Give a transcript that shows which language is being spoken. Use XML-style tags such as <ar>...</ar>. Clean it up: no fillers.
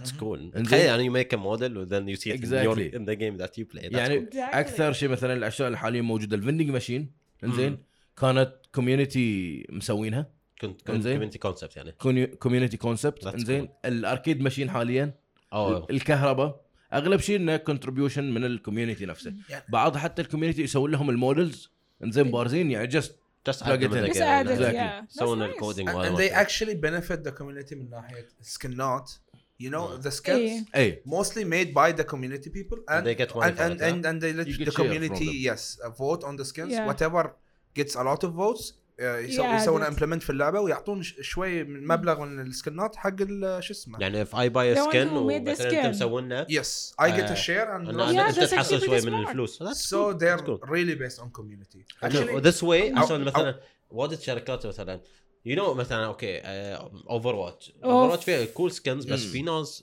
<en>that's cool</en> <ar>انزين يعني</ar> <en>you make a model and then you see it exactly. in the game that you play that's</en> <ar>يعني</ar> <en>cool. exactly.</en> <ar>أكثر شيء مثلا الأشياء الحالية موجودة الفيندينج ماشين انزين كانت community مسوينها</ar> <en>community concept يعني community concept</en> <ar>انزين الأركيد ماشين حاليا الكهرباء أغلب شيء إنه contribution من الكوميونتي نفسه yeah. بعض حتى الكوميونتي يسوون لهم المودلز انزين بارزين يعني just</ar> <en>plug it in again exactly. yeah. so nice. coding and they actually benefit the community من ناحية skin not you know yeah. the skins hey. mostly made by the community people and they get money and they let the community yes vote on the skins yeah. whatever gets a lot of votes</en> <ar>يسوون امبلمنت في اللعبه ويعطون شوي من مبلغ من السكنات حق شو اسمه</ar> <en>يعني if I buy a skin</en> <ar>ومثلا انت مسوينها</ar> <en>yes I get a share</en> <ar>and انت تحصل شوي من الفلوس</ar> <en>so they're really based on community this way</en> <ar>عشان مثلا وادت شركات مثلا</ar> <en>you know</en> <ar>مثلا اوكي Overwatch Overwatch فيها</ar> <en>cool skins</en> <ar>بس في ناس</ar>